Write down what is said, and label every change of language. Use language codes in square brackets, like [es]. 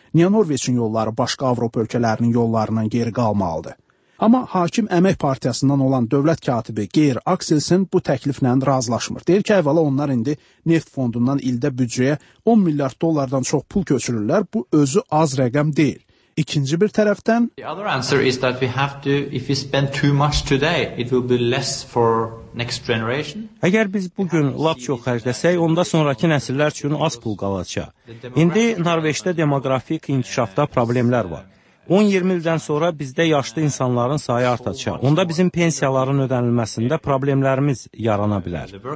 [az] Niyə Norveçin yolları başqa Avropa ölkələrinin yollarından geri qalmalıdır? Amma hakim Əmək Partiyasından olan dövlət katibi Geir Axelsen bu təkliflə razılaşmır. Deyir ki, əvvəla onlar indi neft fondundan ildə büdcəyə 10 milyard dollardan çox pul köçürürlər, bu özü az rəqəm deyil. İkinci bir tərəfdən [en] The other answer is that we have to if we spend too much today it will be less for next generation. [az] Əgər biz bu gün lap çox xərcləsək, onda sonrakı nəsillər üçün az pul qalacaq. İndi Norveçdə demoqrafik inkişafda problemlər var. 10-20 ildən sonra bizdə yaşlı insanların sayı artacaq. Onda bizim pensiyaların ödənilməsində problemlərimiz yarana bilər.